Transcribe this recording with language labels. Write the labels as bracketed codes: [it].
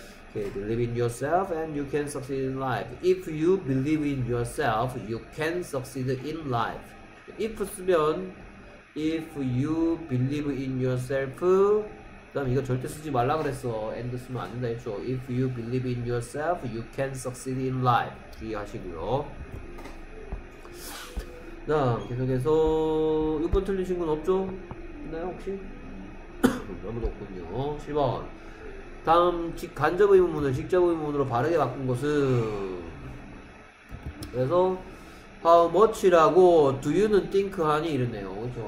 [en] Okay, believe in yourself and you can succeed in life. If you believe in yourself, you can succeed in life. If 쓰면 if you believe in yourself. [ko] 그 다음 이거 절대 쓰지 말라 그랬어. and 쓰면 안 된다 했죠. [en] If you believe in yourself, you can succeed in life. [ko] 주의하시고요. 그 다음 계속해서 6번 틀린 친구는 없죠? 있나요 혹시? 아무도 없군요. 7번. 다음 간접 의문문을 직접 의문문으로 바르게 바꾼 것은, 그래서 how much라고 do you는 think 하니 이랬네요. 그렇죠.